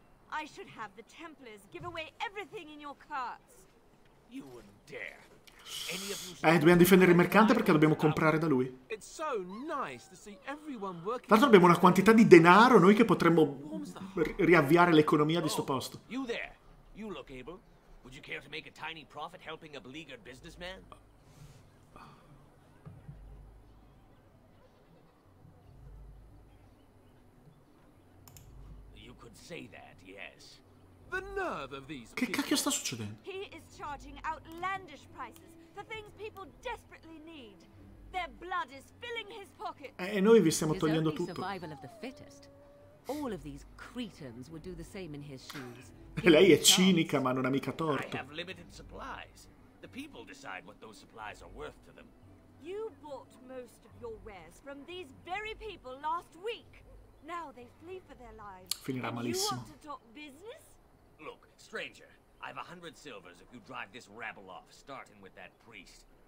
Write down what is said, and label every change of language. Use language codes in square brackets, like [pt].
[en] I should have the Templars give away everything in your carts. You wouldn't dare. [it] Dobbiamo difendere il mercante perché dobbiamo comprare da lui. Tra l'altro abbiamo una quantità di denaro noi che potremmo riavviare l'economia di sto posto. [en] You there? You look able. Would you care to make a tiny profit helping a beleaguered businessman? You could say that, yes. The nerve of these. [it] Che cacchio sta succedendo? [en] He is charging outlandish prices. The things people desperately need. Their blood is filling his pocket. [it] E noi vi stiamo togliendo tutto. [en] The survival of the fittest. All of these cretins would do the same in his shoes. [it] Lei è cinica, ma non ha mica torto. [en] I have limited supplies. The people decide what those supplies are worth to them. You bought most of your wares from these very people last week. Now they flee for their lives. [it] Finirà malissimo. [en] You want to talk business? Look, stranger. I have 100 silvers if you drive this rabble off, starting with that priest.